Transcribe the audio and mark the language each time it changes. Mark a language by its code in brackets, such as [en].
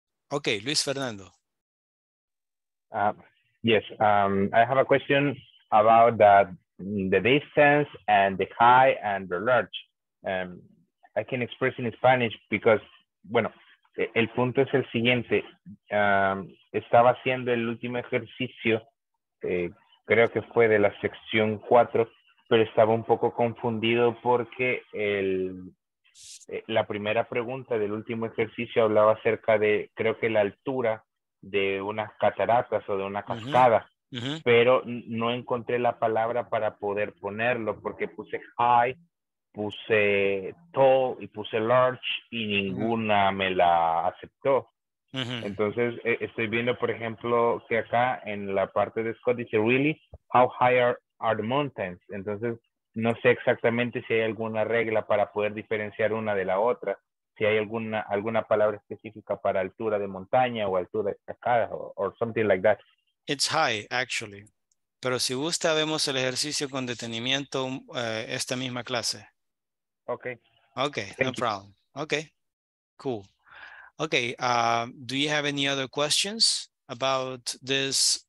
[en] Okay, Luis Fernando. I have a question about the distance and the high and the large. I can express in Spanish because, [es] bueno, el punto es el siguiente. Estaba haciendo el último ejercicio, creo que fue de la sección 4, pero estaba un poco confundido porque la primera pregunta del último ejercicio hablaba acerca de, creo que la altura de unas cataratas o de una cascada, pero no encontré la palabra para poder ponerlo porque puse high, puse tall y puse large y ninguna me la aceptó. Entonces estoy viendo, por ejemplo, que acá en la parte de Scott dice, [en] really, how high are the mountains? [es] Entonces no sé exactamente si hay alguna regla para poder diferenciar una de la otra, si hay alguna palabra específica para altura de montaña o altura de cascada [en] or something like that. It's high, actually. [es] Pero si gusta, vemos el ejercicio con detenimiento esta misma clase. [en] Okay. Okay, no problem. Okay, cool. Okay, do you have any other questions about this?